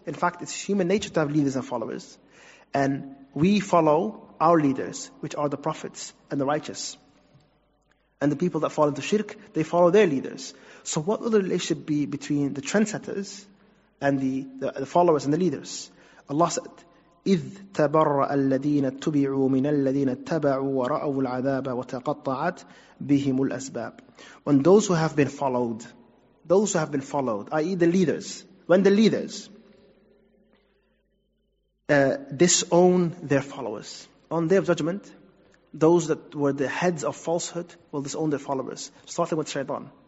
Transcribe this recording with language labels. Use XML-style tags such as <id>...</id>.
<en>In fact, it's human nature to have leaders and followers. And we follow our leaders, which are the prophets and the righteous. And the people that fall into shirk, they follow their leaders. So what will the relationship be between the trendsetters and the followers and the leaders? Allah said,</en> <ar>إِذْ تَبَرَّأَ الَّذِينَ تُبِعُوا مِنَ الَّذِينَ تَبَعُوا وَرَأَوُوا الْعَذَابَ وَتَقَطَّعَتْ بِهِمُ الْأَسْبَابِ.</ar> <en>When those who have been followed, i.e. the leaders, when the leaders disown their followers, on day of judgment, those that were the heads of falsehood will disown their followers, starting with Shaitan.</en>